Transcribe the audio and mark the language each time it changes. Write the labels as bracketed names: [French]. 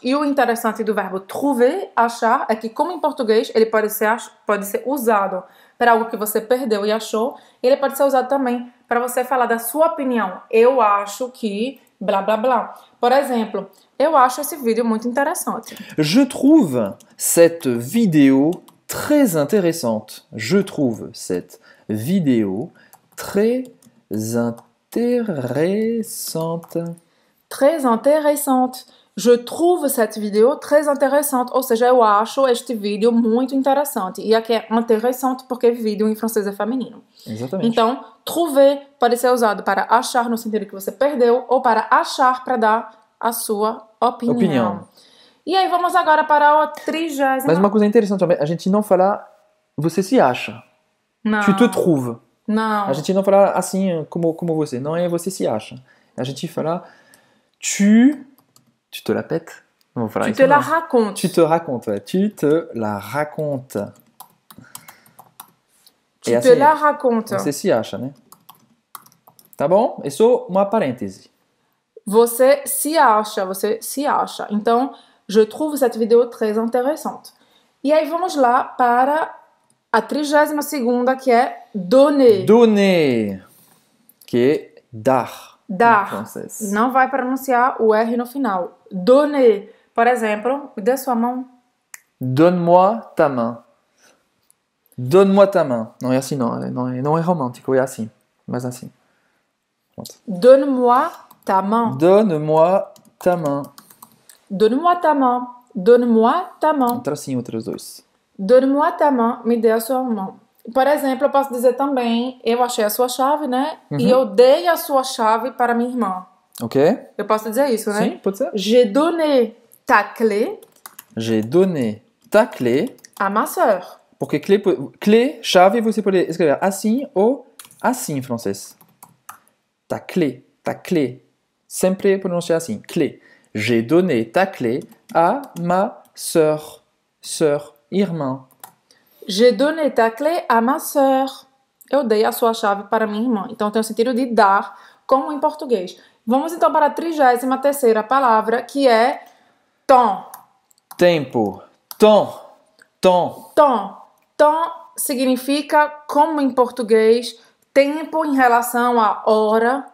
[Portuguese] E o interessante do verbo trouver, achar, é que como em português ele pode ser usado para algo que você perdeu e achou, ele pode ser usado também para você falar da sua opinião. Eu acho que blá blá blá. Por exemplo, eu acho esse vídeo muito interessante. [French] Je trouve cette vidéo très intéressante. Je trouve cette vidéo très intéressante. Très intéressante. Je trouve cette vidéo très intéressante. [Portuguese] Ou seja, eu acho este vídeo muito interessante. E aqui é [French] intéressante [Portuguese] porque vídeo em francês é feminino. Exatamente. Então, trouver pode ser usado para achar no sentido que você perdeu ou para achar para dar a sua opinião. Opinião. E aí, vamos agora para a 30ª. Mas uma coisa interessante também. A gente não fala você se acha. Não. [French] Tu te trouves. [Portuguese] Não. A gente não fala assim como você. Não é você se acha. A gente fala... [French] Tu te la pètes? Tu te non. La racontes. Tu te racontes, ouais. Tu te la racontes. Tu et te assez, la racontes. [Portuguese] Você se acha, né? Tá bom? É só uma parêntese. Você se acha, você se acha. Então, [French] je trouve cette vidéo très intéressante. [Portuguese] E aí vamos lá para a 32ª, que é donner. Donner. Que é dar. Dar. Não vai pronunciar o R no final. Donner. Por exemplo, me dê sua mão. [French] Donne-moi ta main. Donne-moi ta main. [Portuguese] Não é assim, não. Não é romântico. É assim. Mas assim. [French] Donne-moi ta main. Donne-moi ta main. Donne-moi ta main. Donne-moi ta main. [Portuguese] Outro assim, outros dois. [French] Donne-moi ta main. [Portuguese] Me dê a sua mão. Por exemplo, eu posso dizer também, eu achei a sua chave, né? Uhum. E eu dei a sua chave para minha irmã. Ok. Eu posso dizer isso, né? Sim, pode ser. [French] J'ai donné ta clé. J'ai donné ta clé. À ma sœur. [Portuguese] Porque clé, chave, você pode escrever assim ou assim em francês. [French] Ta clé. [Portuguese] Sempre [French] prononcer [Portuguese] assim, [French] clé. J'ai donné ta clé à ma sœur. Sœur, [Portuguese] irmã. [French] J'ai donné ta clé à ma sœur. [Portuguese] Eu dei a sua chave para minha irmã. Então, tem o sentido de dar, como em português. Vamos então para a 33ª palavra, que é temps. [French] Tempo. Temps. Temps. Temps. [Portuguese] Temps significa, como em português, tempo em relação à hora.